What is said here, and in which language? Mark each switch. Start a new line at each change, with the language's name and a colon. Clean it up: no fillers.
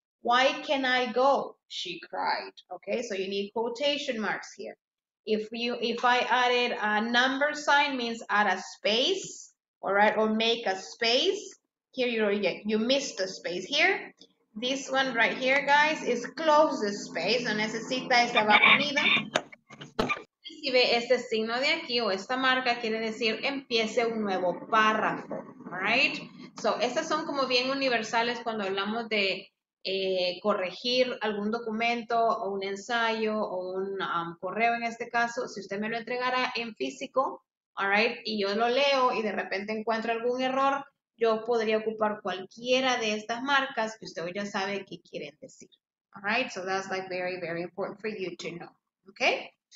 English: Why can I go? She cried, okay? So you need quotation marks here. If I added a number sign means add a space, all right, or make a space. Here you missed a space here. This one right here, guys, is close the space.
Spanish: No necesita esta barrida. Si ve este signo de aquí o esta marca, quiere decir empiece un nuevo párrafo,
English: all right?
Spanish: So, estas son como bien universales cuando hablamos de corregir algún documento o un ensayo o un correo en este caso, si usted me lo entregara en físico,
English: all right,
Spanish: y yo lo leo y de repente encuentro algún error, yo podría ocupar cualquiera de estas marcas que usted ya sabe qué quieren decir.
English: All right, so that's like very, very important for you to know, okay?